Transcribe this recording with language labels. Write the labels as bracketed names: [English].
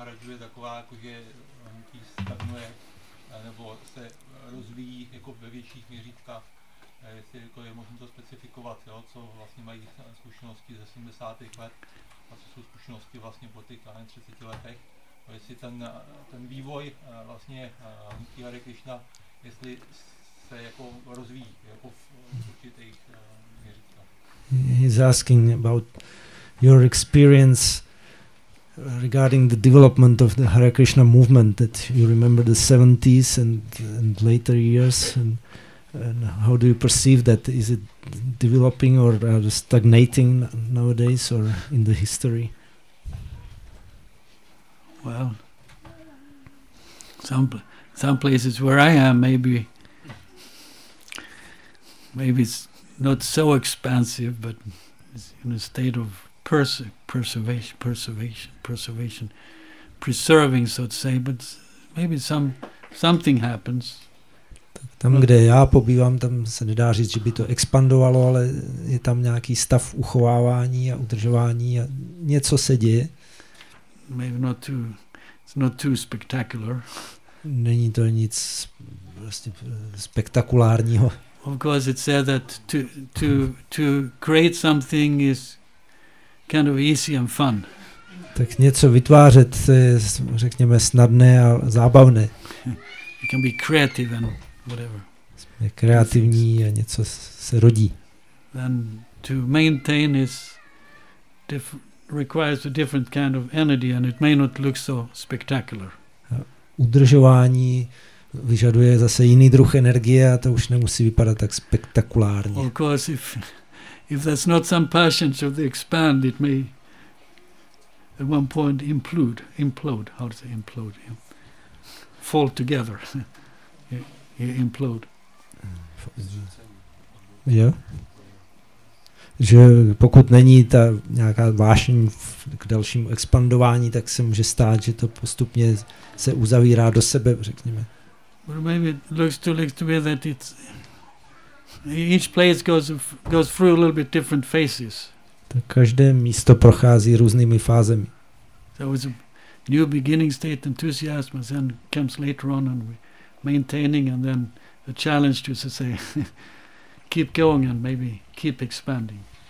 [Czech] Je taková, jakože hnutí stagnuje nebo se rozvíjí jako ve větších měřítkách, jestli jako je možné to specifikovat, jo, co vlastně mají zkušenosti ze 70. let a co jsou zkušenosti vlastně po těch 30 letech. A jestli ten vývoj vlastně hnutí Hare Krishna, jestli se jako rozvíjí jako v určitých měřítkách. [English] He's asking about your experience regarding the development of the Hare Krishna movement, that you remember the 70s and later years, and how do you perceive that? Is it developing or stagnating nowadays or in the history? Well, some places where I am, maybe it's not so expansive, but it's in a state of preservation, preserving, so to say, but maybe something happens. [Czech] Tak tam, kde já pobývám, tam se nedá říct, že by to expandovalo, ale je tam nějaký stav uchovávání a udržování a něco se děje. [English] Maybe it's not too spectacular. [Czech] Není to nic vlastně spektakulárního. [English] Of course it said that to create something is kind of easy and fun. [Czech] Tak něco vytvářet je, řekněme, snadné a zábavné. [English] You can be creative and whatever. [Czech] Jsme kreativní a něco se rodí. [English] Then to maintain is requires a different kind of energy and it may not look so spectacular. [Czech] A udržování vyžaduje zase jiný druh energie a to už nemusí vypadat tak spektakulárně. [English] Of course, if there's not some passion to expand, it may at one point implode. How does it implode? Fall together. Implode. Yeah. [Czech] že pokud není ta nějaká vášeň k dalšímu expandování, tak se může stát, že to postupně se uzavírá do sebe, řekněme. [English] Well, maybe it looks to me that it's each place goes through a little bit different phases. [Czech] Tak každé místo prochází různými fázemi. [English] So it's a new beginning state, enthusiasm, and then comes later on and maintaining, and then the challenge to say keep going and maybe keep expanding.